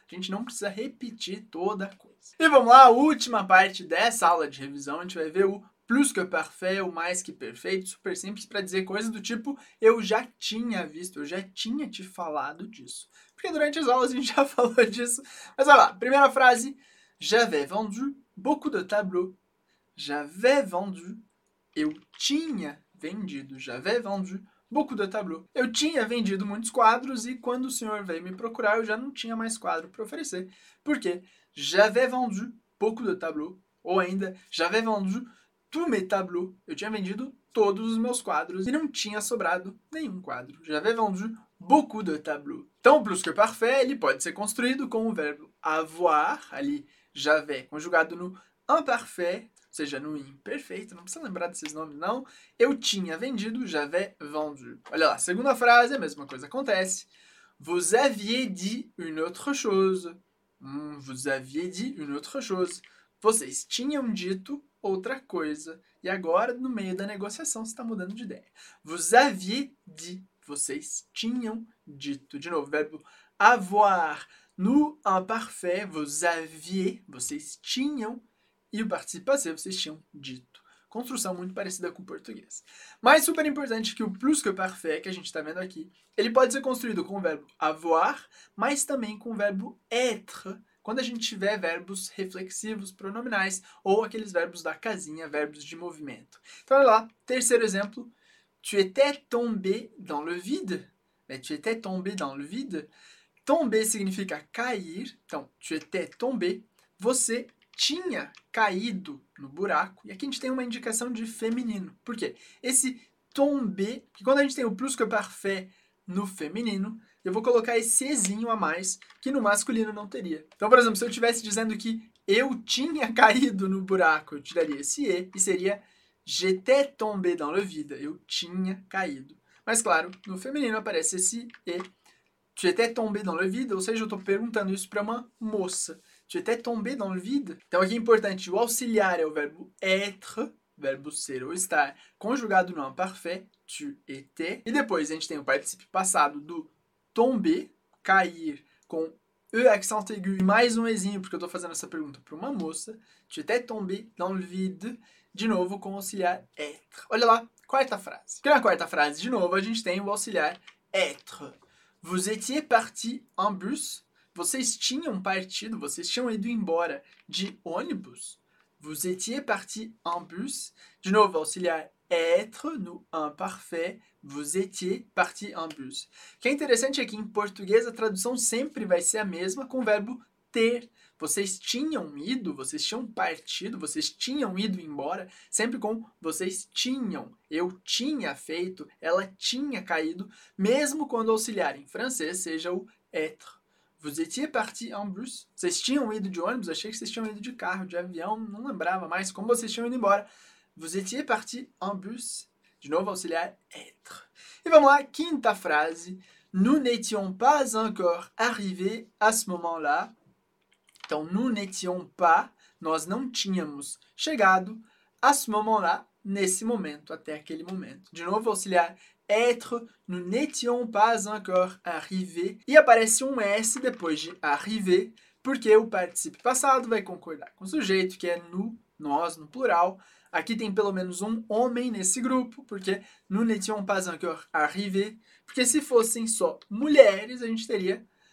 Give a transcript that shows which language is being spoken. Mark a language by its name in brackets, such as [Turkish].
[Portuguese] A gente não precisa repetir toda a coisa. E vamos lá, a última parte dessa aula de revisão, a gente vai ver o plus que parfait, o mais que perfeito, super simples para dizer coisas do tipo eu já tinha visto, eu já tinha te falado disso. Porque durante as aulas a gente já falou disso. Mas olha lá, primeira frase. [French] J'avais vendu beaucoup de tableaux. J'avais vendu. [Portuguese] Eu tinha vendido. [French] J'avais vendu beaucoup de tableaux. [Portuguese] Eu tinha vendido muitos quadros e quando o senhor veio me procurar eu já não tinha mais quadro para oferecer. Por quê? [French] J'avais vendu beaucoup de tableaux. [Portuguese] Ou ainda, [French] j'avais vendu tous mes tableaux, [Portuguese] eu tinha vendido todos os meus quadros e não tinha sobrado nenhum quadro. [French] J'avais vendu beaucoup de tableaux. [Portuguese] Então, plus que parfait, ele pode ser construído com o verbo avoir, ali, j'avais, conjugado no imparfait, ou seja, no imperfeito, não precisa lembrar desses nomes, não. Eu tinha vendido, [French] j'avais vendu. [Portuguese] Olha lá, segunda frase, a mesma coisa acontece. [French] Vous aviez dit une autre chose. Vous aviez dit une autre chose. [Portuguese] Vocês tinham dito outra coisa. E agora, no meio da negociação, você está mudando de ideia. [French] Vous aviez dit. [Portuguese] Vocês tinham dito. De novo, verbo avoir. No imparfait, [French] vous aviez. [Portuguese] Vocês tinham. E o participe passé, vocês tinham dito. Construção muito parecida com o português. Mas super importante que o plus que parfait, que a gente está vendo aqui, ele pode ser construído com o verbo avoir, mas também com o verbo être. Quando a gente tiver verbos reflexivos, pronominais, ou aqueles verbos da casinha, verbos de movimento. Então, olha lá, terceiro exemplo. [French] Tu étais tombé dans le vide. Tu étais tombé dans le vide. [Portuguese] Tomber significa cair. Então, tu étais tombé. Você tinha caído no buraco. E aqui a gente tem uma indicação de feminino. Por quê? Esse tomber, que quando a gente tem o plusquamperfeito no feminino, eu vou colocar esse ezinho a mais que no masculino não teria. Então, por exemplo, se eu estivesse dizendo que eu tinha caído no buraco, eu tiraria esse e seria [French] j'étais tombé dans le vide. [Portuguese] Eu tinha caído. Mas claro, no feminino aparece esse e. [French] Tu étais tombé dans le vide, [Portuguese] ou seja, eu estou perguntando isso para uma moça. [French] Tu étais tombé dans le vide? [Portuguese] Então aqui é importante, o auxiliar é o verbo être, verbo ser ou estar, conjugado no imparfait, [French] tu étais. [Portuguese] E depois a gente tem o participe passado do tomber, cair, com e accent aigu, mais um ezinho, porque eu estou fazendo essa pergunta para uma moça. [French] Tu étais tombé dans le vide, [Portuguese] de novo com o auxiliar [French] être. [Portuguese] Olha lá, quarta frase. Aqui na quarta frase, de novo, a gente tem o auxiliar être. [French] Vous étiez parti en bus? [Portuguese] Vocês tinham partido, vocês tinham ido embora de ônibus? [French] Vous étiez parti en bus? [Portuguese] De novo, auxiliar être no imparfait. [French] Vous étiez parti en bus. [Portuguese] O que é interessante é que em português a tradução sempre vai ser a mesma com o verbo ter. Vocês tinham ido, vocês tinham partido, vocês tinham ido embora, sempre com vocês tinham, eu tinha feito, ela tinha caído, mesmo quando o auxiliar em francês seja o être. [French] Vous étiez parti en bus? [Portuguese] Vocês tinham ido de ônibus? Achei que vocês tinham ido de carro, de avião, não lembrava mais como vocês tinham ido embora. [French] Vous étiez parti en bus? [Portuguese] De novo, auxiliar être. E vamos lá, quinta frase. [French] Nous n'étions pas encore arrivés à ce moment-là. [Portuguese] Então, [French] nous n'étions pas, [Portuguese] nós não tínhamos chegado, [French] à ce moment-là, [Portuguese] nesse momento, até aquele momento. De novo, auxiliar être, [French] nous n'étions pas encore arrivés. [Portuguese] E aparece um S depois de arriver, porque o participe passado vai concordar com o sujeito, que é nous, nós, no plural. Aqui tem pelo menos um homem nesse grupo, porque [French] nous n'étions pas encore arrivés. [Portuguese] Porque se fossem só mulheres, a gente teria.